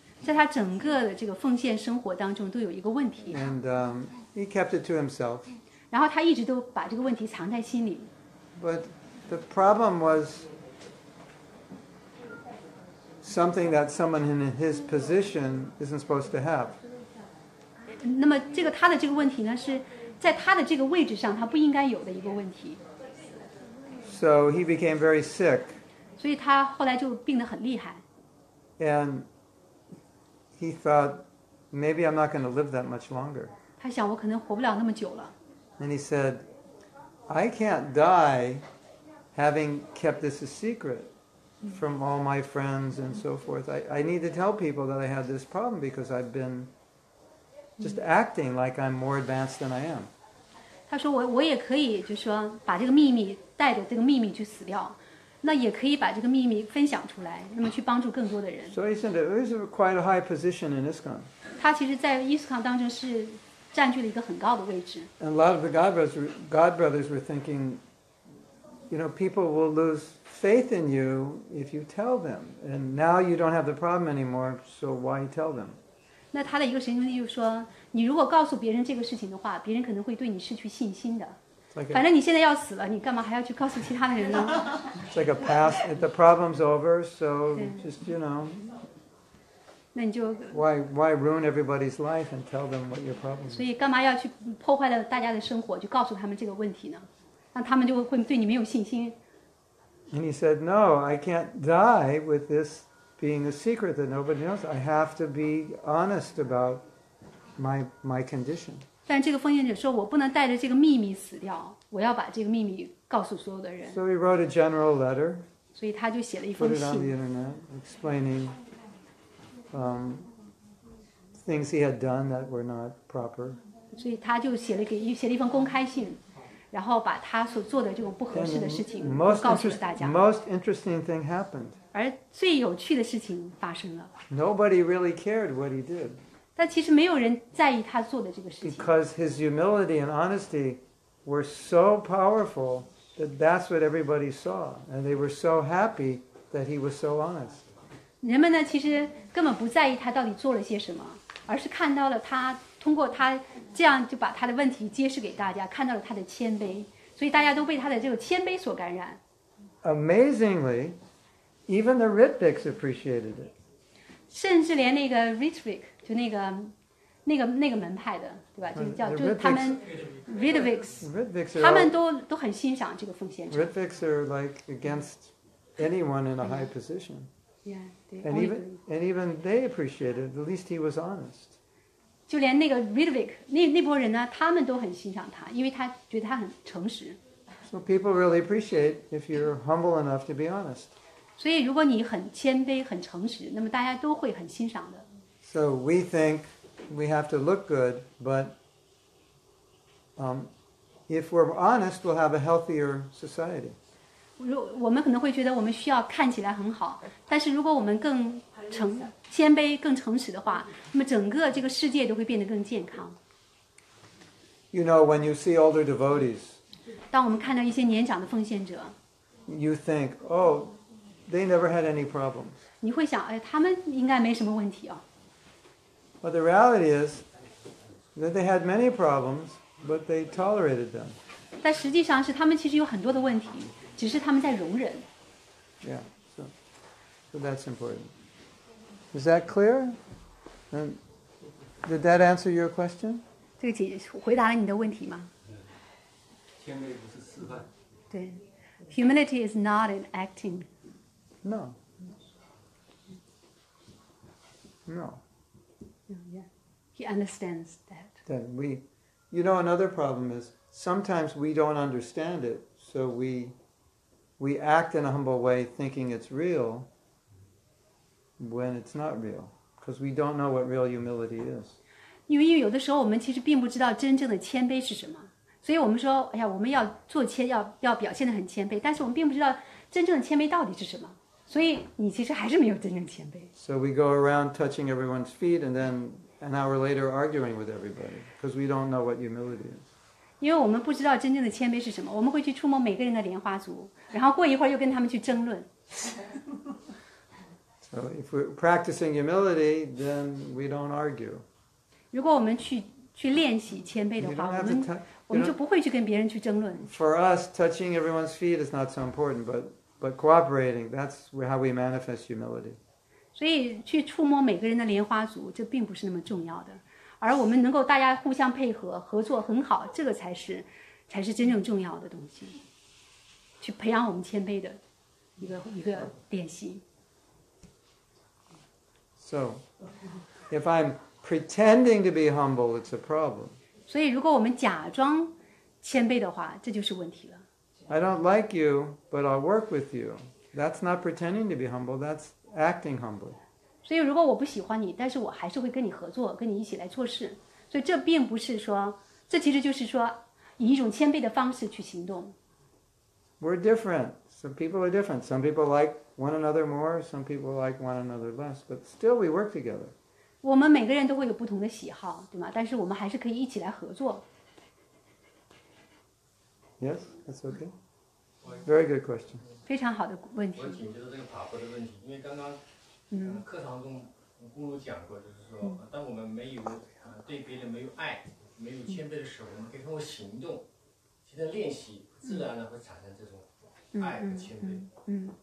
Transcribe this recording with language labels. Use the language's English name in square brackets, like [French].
[Chinese] 在他整个的这个奉献生活当中都有一个问题。 [English] And he kept it to himself. [Chinese] 然后他一直都把这个问题藏在心里。 [English] But the problem was something that someone in his position isn't supposed to have. [Chinese] 那么这个他的这个问题呢，是在他的这个位置上他不应该有的一个问题。 [English] So he became very sick. [Chinese] 所以他后来就病得很厉害。 [English] And he thought, maybe I'm not going to live that much longer. [Chinese] 他想我可能活不了那么久了。 [English] And he said, I can't die having kept this a secret from all my friends and so forth. I need to tell people that I have this problem because I've been just acting like I'm more advanced than I am. [Chinese] 他说 我也可以就是说把这个秘密带着这个秘密去死掉，那也可以把这个秘密分享出来，那么去帮助更多的人。 [English] So he said, this is quite a high position in ISKCON. [Chinese] 他其实在 ISKCON 当中是占据了一个很高的位置。 [English] And a lot of the God brothers were thinking, you know, people will lose faith in you if you tell them. And now you don't have the problem anymore, so why tell them? [Chinese] 那他的一个神兄弟就说，你如果告诉别人这个事情的话，别人可能会对你失去信心的。反正你现在要死了，你干嘛还要去告诉其他的人呢？ [English] It's like a pass. If the problem's over, so just, you know. [Chinese] 那你就 [English] why ruin everybody's life and tell them what your problem is? [Chinese] 所以干嘛要去破坏了大家的生活，就告诉他们这个问题呢？那他们就会对你没有信心。 [English] And he said, no, I can't die with this. Being a secret that nobody knows, I have to be honest about my condition. [Chinese] 但这个奉献者说，我不能带着这个秘密死掉，我要把这个秘密告诉所有的人。 [English] So he wrote a general letter. [Chinese] 所以他就写了一封信。 [English] Put it on the internet, explaining things he had done that were not proper. [Chinese] 所以他就写了一封公开信，然后把他所做的这种不合适的事情告诉了大家。 [English] Most interesting thing happened. [Chinese] 而最有趣的事情发生了。 [English] Nobody really cared what he did. [Chinese] 但其实没有人在意他做的这个事情。 [English] Because his humility and honesty were so powerful that that's what everybody saw, and they were so happy that he was so honest. [Chinese] 人们呢，其实根本不在意他到底做了些什么，而是看到了他通过他这样就把他的问题揭示给大家，看到了他的谦卑，所以大家都被他的这个谦卑所感染。 [English] Amazingly. Even the Ritviks appreciated it. [Chinese] 甚至连那个 Ritvik 就那个门派的，对吧？就叫就他们 Ritviks 他们都很欣赏这个奉献者。 [English] Ritviks are like against anyone in a high position. And even they appreciated, at least he was honest. [Chinese] 就连那个 Ridvik, 那波人呢，他们都很欣赏他，因为他觉得他很诚实。 [English] So people really appreciate if you're humble enough to be honest. [Chinese] 所以如果你很谦卑，很诚实，那么大家都会很欣赏的。 [English] So we think we have to look good, but if we're honest, we'll have a healthier society. [Chinese] 我们可能会觉得我们需要看起来很好，但是如果我们更谦卑、更诚实的话，那么整个这个世界都会变得更健康。 [English] You know, when you see older devotees, [Chinese] 当我们看到一些年长的奉献者 [English] ，you think, oh, they never had any problems. [Chinese] 你会想，哎，他们应该没什么问题哦。 [English] But the reality is that they had many problems, but they tolerated them. [Chinese] 但实际上是他们其实有很多的问题，只是他们在容忍。 [English] Yeah, so that's important. Is that clear? And did that answer your question? [Chinese] 这个解回答了你的问题吗？谦卑不是示范。对 [English] ，humility is not an acting. No. No. Yeah. He understands that. That we, you know, another problem is sometimes we don't understand it, so we act in a humble way, thinking it's real. When it's not real, because we don't know what real humility is. [Chinese] 因为有的时候我们其实并不知道真正的谦卑是什么，所以我们说，哎呀，我们要做谦，要表现得很谦卑，但是我们并不知道真正的谦卑到底是什么，所以你其实还是没有真正谦卑。 [English] So we go around touching everyone's feet, and then an hour later arguing with everybody, because we don't know what humility is. [Chinese] 因为我们不知道真正的谦卑是什么，我们会去触摸每个人的莲花足，然后过一会儿又跟他们去争论。 [English] So if we're practicing humility, then we don't argue. [Chinese] 如果我们去练习谦卑的话，我们就不会去跟别人去争论。 [English] For us, touching everyone's feet is not so important, but cooperating, that's how we manifest humility. [Chinese] 所以去触摸每个人的莲花足，这并不是那么重要的。而我们能够大家互相配合，合作很好，这个才是真正重要的东西。去培养我们谦卑的一个练习。 [English] So, if I'm pretending to be humble, it's a problem. [Chinese] 所以如果我们假装谦卑的话，这就是问题了。 [English] I don't like you, but I'll work with you. That's not pretending to be humble, that's acting humbly. [Chinese] 所以如果我不喜欢你，但是我还是会跟你合作，跟你一起来做事。所以这并不是说，这其实就是说，以一种谦卑的方式去行动。 [English] We're different. Some people are different. Some people like one another more, some people like one another less, but still we work together. [Chinese] 我们每个人都会有不同的喜好，对吗？但是我们还是可以一起来合作。 [English] Yes, that's okay. Very good question. [Chinese] 非常好的问题。我紧接着这个法会的问题，因为刚刚课堂中公主讲过，就是说，当我们没有对别人没有爱、没有谦卑的时候，我们可以通过行动，其实练习自然的会产生这种爱和谦卑。